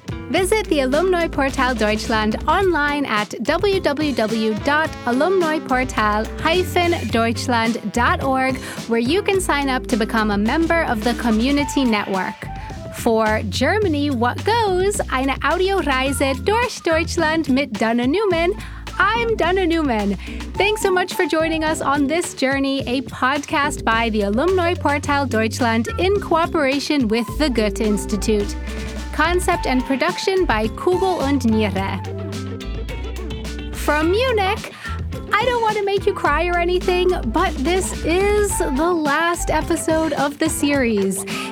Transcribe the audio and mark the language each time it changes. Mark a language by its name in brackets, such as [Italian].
[English] Visit the Alumni Portal Deutschland online at www.alumniportal-deutschland.org, where you can sign up to become a member of the community network. For Germany, what goes? [German] Eine Audioreise durch Deutschland mit Dana Neumann. [English] I'm Dana Neumann. Thanks so much for joining us on this journey, a podcast by the Alumni Portal Deutschland in cooperation with the Goethe-Institut. Concept and production by Kugel und Niere. From Munich, I don't want to make you cry or anything, but this is the last episode of the series.